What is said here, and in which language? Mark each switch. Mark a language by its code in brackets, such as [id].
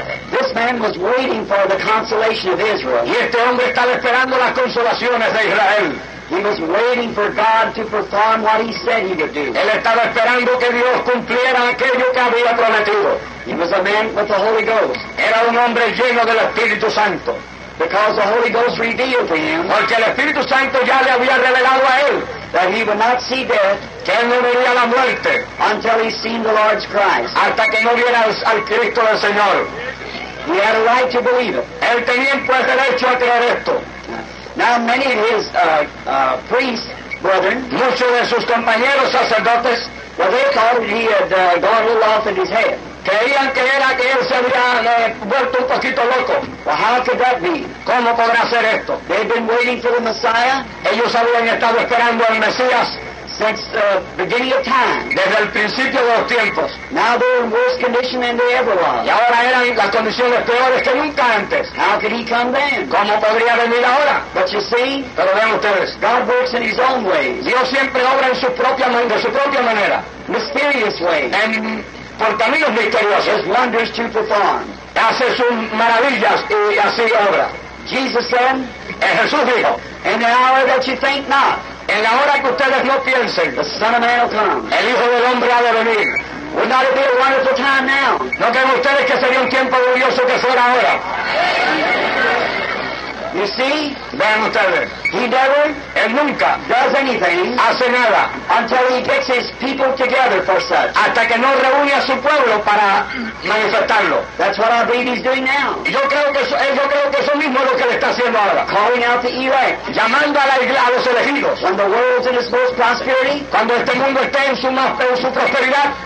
[en] This man was waiting for the consolation of Israel. [es] Y este hombre estaba esperando las consolaciones de Israel. [en] He was waiting for God to perform what he said he would do. [es] Él estaba esperando que Dios cumpliera aquello que había prometido. [en] He was a man with the Holy Ghost. [es] Era un hombre lleno del Espíritu Santo. [en] Because the Holy Ghost revealed to him. [es] Porque el Espíritu Santo ya le había revelado a él. [en] That he would not see death. [es] Que él no vería la muerte. [en] Until he seen the Lord's Christ. [es] Hasta que no viera al Cristo del Señor. [en] He had a right to believe it. [es] Él tenía pues derecho a creer esto. [en] Now many of his priests, brethren. [es] Muchos de sus compañeros sacerdotes. [en] Well, they thought he had gone a little off in his head. [es] Creían que era que él se había vuelto un poquito loco. [en] Well, how could that be? [es] ¿Cómo podrá hacer esto? [en] They've been waiting for the Messiah. [es] Ellos habían estado esperando al Mesías. [en] Since the beginning of time. [es] Desde el principio de los tiempos. [en] Now they're in worse condition than they ever were. [es] Y ahora eran las condiciones peores que nunca antes. [en] How could he come then? [es] ¿Cómo podría venir ahora? [en] But you see. [es] Pero vean ustedes. [en] God works in his own way. [es] Dios siempre obra en su propia manera. [en] Mysterious way. [es] And por caminos misteriosos. [en] His wonders to perform. [es] Hace sus maravillas y así obra. [en] Jesus said. [es] Y Jesús dijo. [en] In the hour that you think not. [es] En la hora que ustedes no piensen, [en] the Son of Man will come. [es] El Hijo del Hombre ha de venir. [en] Would not it be a wonderful time now? [es] ¿No creen ustedes que sería un tiempo glorioso que fuera ahora? [en] You see? [es] Vean ustedes. [en] He never, [es] él nunca, [en] does anything, [es] hace nada, [en] until he gets his people together for such. [es] Hasta que no reúne a su pueblo para manifestarlo. [en] That's what I believe he's doing now. [es] Yo creo que eso mismo es lo que le está haciendo ahora. [en] Calling out the elect. [es] Llamando a la iglesia, a los elegidos. [en] When the world's in its most prosperity. [es] Cuando este mundo esté en su más, en su prosperidad.